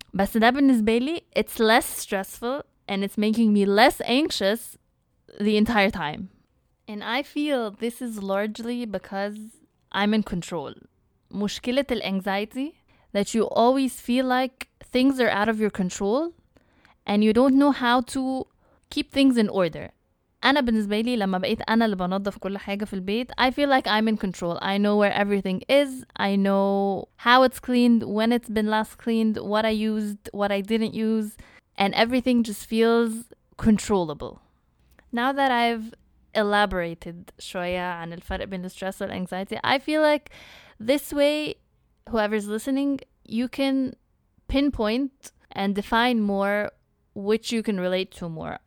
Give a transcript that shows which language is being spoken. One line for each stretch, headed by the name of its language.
Arabic: بس ده بالنسبة لي
English: it's less stressful and it's making me less anxious the entire time. And I feel this is largely because I'm in control.
Arabic: مشكلة الانزايتي
English: that you always feel like things are out of your control and you don't know how to keep things in order.
Arabic: أنا بالنسبة لي لما بقيت أنا اللي بنظف كل حاجة في البيت,
English: I feel like I'm in control. I know where everything is. I know how it's cleaned, when it's been last cleaned, what I used, what I didn't use. And everything just feels controllable. Now that I've elaborated
Arabic: شوية عن الفرق بين الستريس والانكزايتي,
English: I feel like this way, whoever's listening, you can pinpoint and define more which you can relate to more.